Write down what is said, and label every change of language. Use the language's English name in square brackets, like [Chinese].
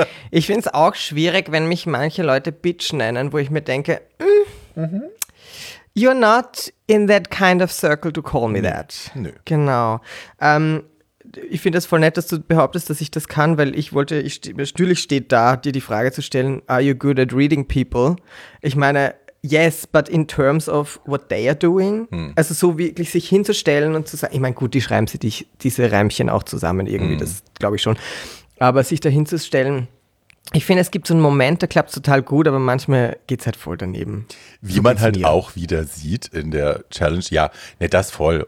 [German] Ich finde es auch schwierig, wenn mich manche Leute Bitch nennen, wo ich mir denke, [English] you're not in that kind of circle to call me that. [German] Nö. Genau. Ich finde es voll nett, dass du behauptest, dass ich das kann, weil ich wollte, natürlich steht da, dir die Frage zu stellen, [English] are you good at reading people? [German] Ich meine, [English] yes, but in terms of what they are doing. [German] Also so wirklich sich hinzustellen und zu sagen, ich meine, gut, die schreiben sie dich diese Reimchen auch zusammen irgendwie, das glaube ich schon. Aber sich da hinzustellen, ich finde, es gibt so einen Moment, da klappt es total gut, aber manchmal geht es halt voll daneben. Wie so man halt auch wieder sieht in der Challenge, ja, ne, das voll.